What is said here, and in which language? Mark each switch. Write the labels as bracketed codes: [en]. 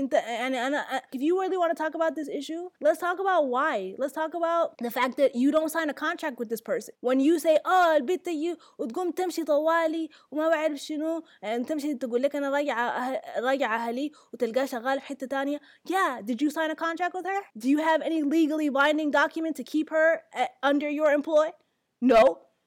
[ar] انت, يعني, أنا, [en] if you really want to talk about this issue, let's talk about why. Let's talk about the fact that you don't sign a contract with this person. When you say, oh, [ar] البيت تي وتقوم تمشي طوالي وما بعرف شنو انت مش تقول لك انا راجعه اهلي وتلقاه شغال حتة تانية. [en] Yeah, did you sign a contract with her? Do you have any legally binding document to keep her under your employ? No.